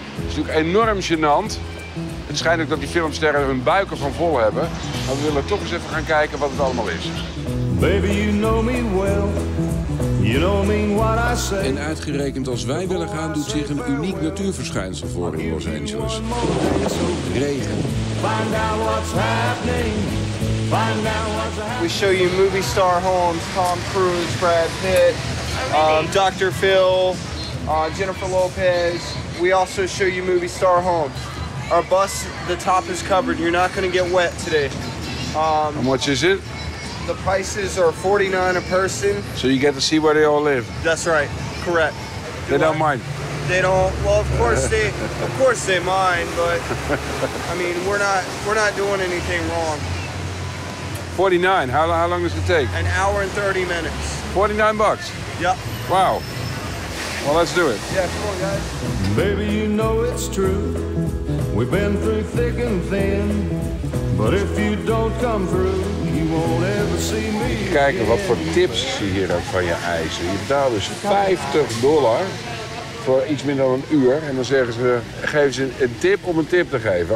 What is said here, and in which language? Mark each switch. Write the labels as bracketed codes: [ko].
[nl] Het is natuurlijk enorm gênant. Het schijnt ook dat die filmsterren hun buiken van vol hebben. Maar we willen toch eens even gaan kijken wat het allemaal is. [en] Baby, you know me well. You know me what I say. [nl] En uitgerekend als wij willen gaan, doet zich een uniek natuurverschijnsel voor in Los Angeles. Regen. [en] Find out what's happening. We show you movie star homes, Tom Cruise, Brad Pitt, Dr. Phil, Jennifer Lopez. We also show you movie star homes. Our bus, the top is covered. You're not going to get wet today. How much is it? The prices are $49 a person. So you get to see where they all live? That's right. Correct. They don't mind? They don't. Well, of course they mind, but I mean, we're not doing anything wrong. 49, how long does it take? An hour and 30 minutes. $49? Yep. Wow. Well, let's do it. Yeah, come on, guys. Baby, you know it's true. We've been through thick and thin. But if you don't come through, you won't ever see me again. [nl] Kijken wat voor tips je hier hebt van je eisen. Je betaalt dus $50 voor iets minder dan een uur. En dan zeggen ze, geven ze een tip om een tip te geven.